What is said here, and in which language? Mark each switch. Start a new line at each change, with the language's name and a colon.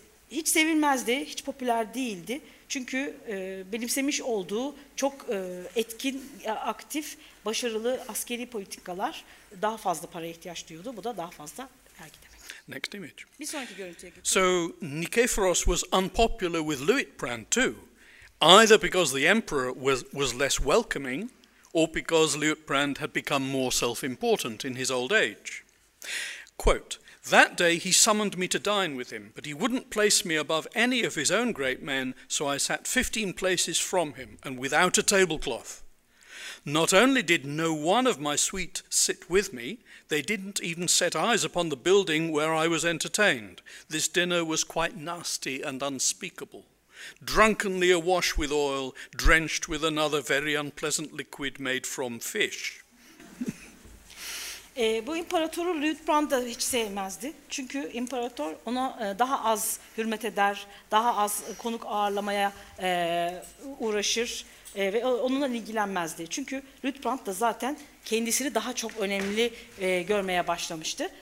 Turkish: Hiç sevilmezdi, hiç popüler değildi. Çünkü benimsemiş olduğu çok etkin, aktif, başarılı askeri politikalar daha fazla paraya ihtiyaç duyuyordu. Bu da daha fazla vergi demek.
English: Next image. So Nikephoros was unpopular with Liutprand too, either because the emperor was less welcoming or because Liutprand had become more self-important in his old age. Quote, "That day he summoned me to dine with him, but he wouldn't place me above any of his own great men, so I sat 15 places from him and without a tablecloth. Not only did no one of my suite sit with me, they didn't even set eyes upon the building where I was entertained. This dinner was quite nasty and unspeakable, drunkenly awash with oil, drenched with another very unpleasant liquid made from fish."
Turkish: Bu imparatoru Liutprand da hiç sevmezdi. Çünkü imparator ona daha az hürmet eder, daha az konuk ağırlamaya uğraşır ve onunla ilgilenmezdi. Çünkü Liutprand da zaten kendisini daha çok önemli görmeye başlamıştı.